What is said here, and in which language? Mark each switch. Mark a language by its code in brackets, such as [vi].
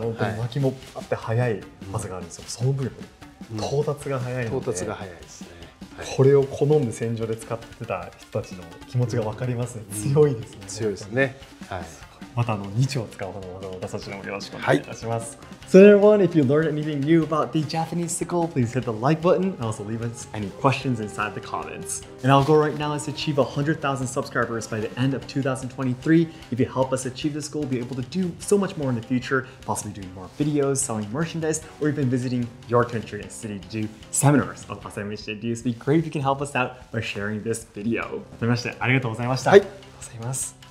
[ja] 本当に巻きもあって早い技があるんですよ。その分到達が早いので。到達が早いですね。これを好んで戦場で使ってた人たちの気持ちが分かりますね。強いですね。強いですね。はい。またあの2丁使うほどの技を出させてもよろしくお願いいたします。 [en] はい、so everyone, if you learned anything new about the Japanese sickle, please hit the like button and also leave us any questions inside the comments. And our goal right now is to achieve 100,000 subscribers by the end of 2023. If you help us achieve this goal, we'll be able to do so much more in the future, possibly doing more videos, selling merchandise, or even visiting your country and city to do seminars. As I mentioned, it'd be great if you can help us out by sharing this video. [ja] ありがとうございました。はい。ありがとうございます。